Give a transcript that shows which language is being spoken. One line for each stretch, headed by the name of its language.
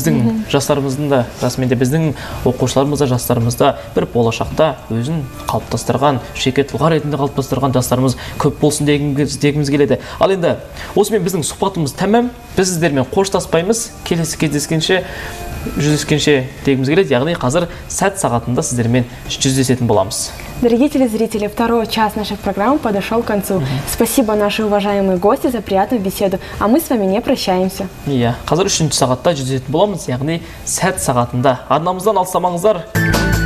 Kazakh: Біздің жастарымыздың да, расымен де біздің оқушыларымызда, жастарымызда бір болашақта өзін қалыптастырған, жеке тұлға ретінде қалыптастырған жастарымыз көп болсын дегіміз келеді. Ал енді осымен біздің сұхбатымыз тәмам. Біз сіздермен қоштаспаймыз. Келесі кездескенше, жүздескенше дегіміз келеді. Яғни қазір сәт сағатында сіздермен жүздесетін боламыз.
Russian: Дорогие телезрители, второй час нашей программы подошел к концу. Спасибо наши уважаемые гости за приятную беседу. А мы с вами не прощаемся.
Kazakh: Қазір үшінші сағатта жүздесетін боламыз, яғни сәт сағатында. Арнамыздан алыстамаңыздар.